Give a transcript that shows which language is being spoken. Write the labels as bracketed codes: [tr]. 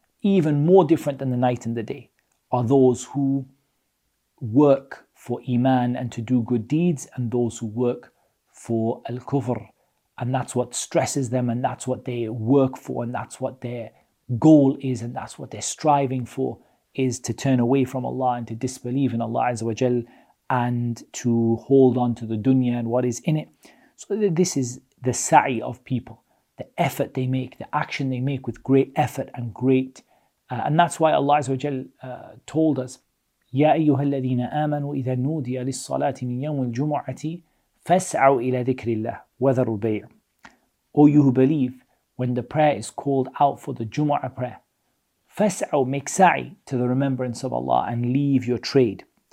[en] Even more different than the night and the day are those who work for iman and to do good deeds, and those who work for al-kufr, and that's what stresses them, and that's what they work for, and that's what their goal is, and that's what they're striving for, is to turn away from Allah and to disbelieve in Allah Azza wa Jal and to hold on to the dunya and what is in it. So this is the sa'i of people, the effort they make, the action they make with great effort and great and that's why Allah Azza wa Jal told us, [ar] يا أيها الذين آمنوا إذا نودي للصلاة من يوم الجمعة فاسعوا إلى ذكر الله وذروا البيع. [en] O you who believe, when the prayer is called out for the Jumu'ah prayer, fas'au, make sa'i to the remembrance of Allah and leave your trade.